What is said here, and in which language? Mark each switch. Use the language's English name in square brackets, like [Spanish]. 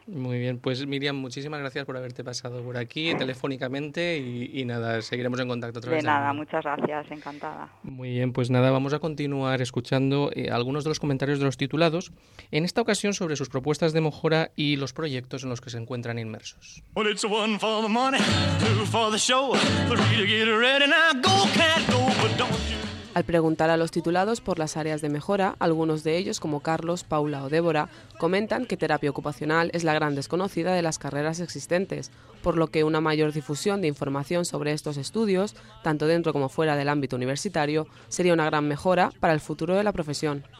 [Spanish] Muy bien, pues Miriam, muchísimas gracias por haberte pasado por aquí telefónicamente y nada, seguiremos en contacto otra vez. De nada, muchas gracias, encantada. Muy bien, pues nada, vamos a continuar escuchando algunos de los comentarios de los titulados, en esta ocasión sobre sus propuestas de mejora y los proyectos en los que se encuentran inmersos. [English] Well, it's one for the money, two for the show, three to get ready now, go cat go, but don't you... [Spanish] Al preguntar a los titulados por las áreas de mejora, algunos de ellos, como Carlos, Paula o Débora, comentan que terapia ocupacional es la gran desconocida de las carreras existentes, por lo que una mayor difusión de información sobre estos estudios, tanto dentro como fuera del ámbito universitario, sería una gran mejora para el futuro de la profesión.